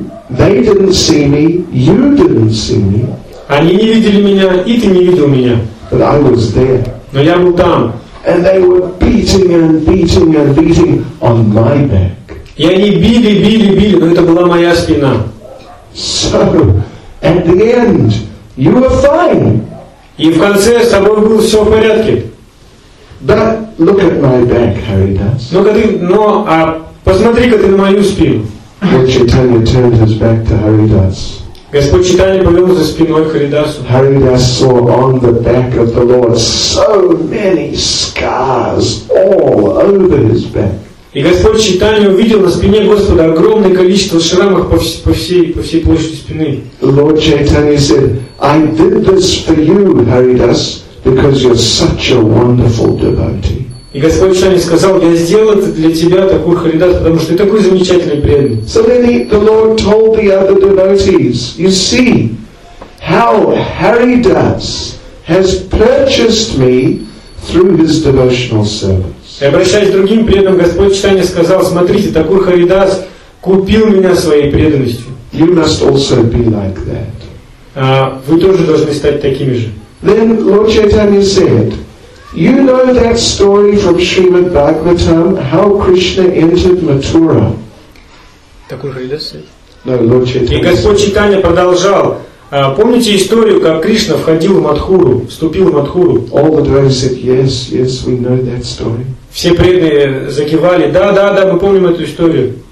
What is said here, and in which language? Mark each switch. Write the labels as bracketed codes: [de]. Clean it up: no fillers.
[en] They didn't see me, you didn't see me. [ru] Они не видели меня, и ты не видел меня. [en] But I was there. [ru] Но я был там. [en] And they were beating and beating and beating on my back. [ru] И они били, били, били, но это была моя спина. [en] So, at the end, you were fine. [ru] И в конце с тобой было все в порядке. [en] But look at my back, Haridas. [ru] Посмотри-ка ты на мою спину. [en] Lord Chaitanya turned his back to Haridas. [ru] Господь Чайтанья повернулся спиной к Харидасу. [en] Haridas saw on the back of the Lord so many scars all over his back. [ru] И Господь Чайтанья увидел на спине Господа огромное количество шрамов по всей площади спины. [en] Lord Chaitanya said, I did this for you, Haridas. Because you're such a wonderful devotee. [ru] И Господь Шани сказал, я сделал это для тебя, такой Харидас, потому что ты такой замечательный преданный. [en] So then the Lord told the other devotees, you see, how Haridas has purchased me through his devotional service. [ru] И обращаясь к другим преданным, Господь Шани сказал, смотрите, такой Харидас купил меня своей преданностью. [en] You must also be like that. [ru] Вы тоже должны стать такими же. [en] Then Lord Chaitanya said, you know that story from Srimad Bhagavatam, how Krishna entered Mathura. No, Lord Chaitanya. [ru] И Господь Чайтанья продолжал. Помните историю, как Кришна входил в Мадхуру, вступил в Мадхуру? [en] All the devotees said, yes, yes, we know that story. [ru] Все преданные закивали. Да, да, да, мы помним эту историю.